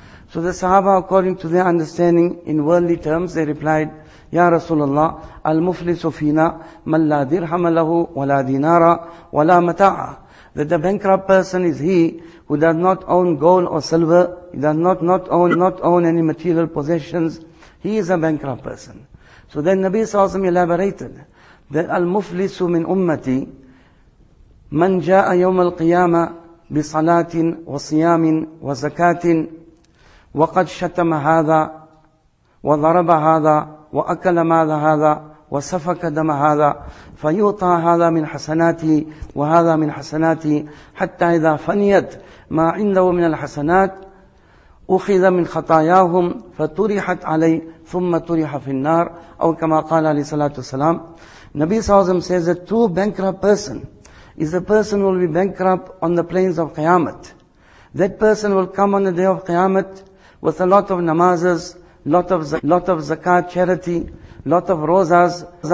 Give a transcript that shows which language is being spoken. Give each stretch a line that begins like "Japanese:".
English: So the Sahaba, according to their understanding in worldly terms, they replied, Ya Rasulullah,
Arabic: al muflisu fina man la dirhama lahu wa la dinara wa la mata'a.
English: That the bankrupt person is he who does not own gold or silver, he does not own any material possessions. He is a bankrupt person. So then Nabi Sallallahu Alaihi Wasallam elaborated that
Arabic: al muflisu min ummati man ja'a yawm al qiyama bi salatin wa siyamin wa zakatin وَقَدْ شَتَمَ هَذَا وَضَرَبَ هَذَا وَأَكَلَ مَالَ هَذَا وَسَفَكَ دَمَ هَذَا فَيُوطَى هَذَا مِنْ حَسَنَاتِهِ وَهَذَا مِنْ حَسَنَاتِهِ حَتَّى إِذَا فَنِيَتْ مَا عِنْدَهُ مِنَ الْحَسَنَاتِ أُخِذَ مِنْ خَطَايَاهُمْ فَتُرِحَتْ عَلَيْهِ ثُمَّ تُرِحَ فِي النَّارِ أو كما قال عليه الصلاة والسلام.
English: Nabi Sallallahu Alaihi Wasallam says that two bankrupt person is a person who will be bankrupt on the plains of Qiyamah. That person will come on the day of Qiyamah with a lot of namazas, lot of zakat, charity, lot of rozas.